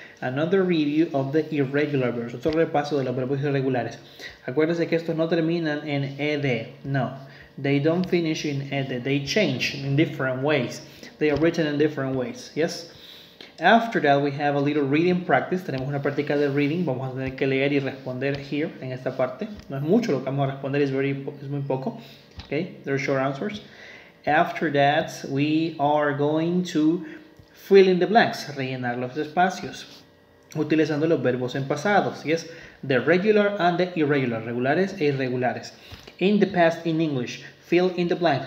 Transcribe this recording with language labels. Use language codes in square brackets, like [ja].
[en] Another review of the irregular verbs. [es] Otro repaso de los verbos irregulares. Acuérdense que estos no terminan en ed. No. [en] They don't finish in ed. They change in different ways. They are written in different ways. Yes. After that, we have a little reading practice. [es] Tenemos una práctica de reading. Vamos a tener que leer y responder here, en esta parte. No es mucho lo que vamos a responder. Es muy poco. Okay? [en] There are short answers. After that, we are going to fill in the blanks. [es] Rellenar los espacios. Utilizando los verbos en pasado. Yes? [en] The regular and the irregular. [es] Regulares e irregulares. [en] In the past, in English. Fill in the blanks.